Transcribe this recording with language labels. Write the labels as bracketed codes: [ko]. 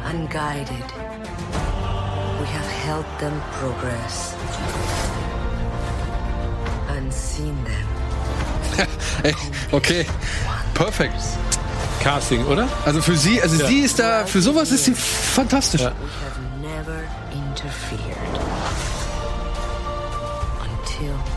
[en] Guided, we have helped them progress and seen them. [de] Hey, okay, perfekt. Casting, oder? Also für sie, also sie ist da, für sowas ist sie fantastisch. [en] We have never interfered until